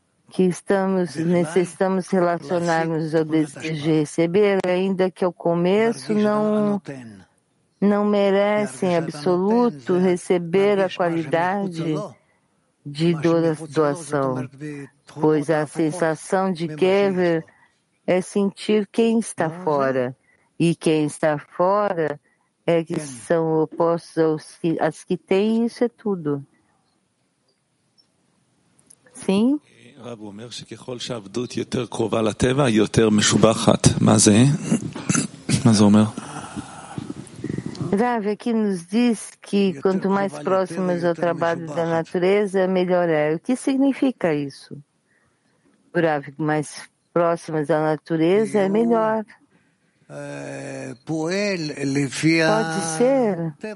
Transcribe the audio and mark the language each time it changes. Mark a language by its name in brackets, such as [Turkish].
[Portuguese] que estamos, necessitamos relacionarmos ao desejo de receber, ainda que ao começo não merecem absoluto receber a qualidade de doação, pois a sensação de Kever é sentir quem está fora, e quem está fora é que são opostos às que têm, e isso é tudo. Sim? [Hebrew] רב אומר שככל שעבדות יותר קרובה לטבע, יותר משובחת. מה זה? מה זה אומר? [Portuguese] Rav, aqui nos diz que quanto mais próximos ao trabalho da natureza, melhor é. O que significa isso? Rav, mais próximas à natureza, é melhor. Pode ser?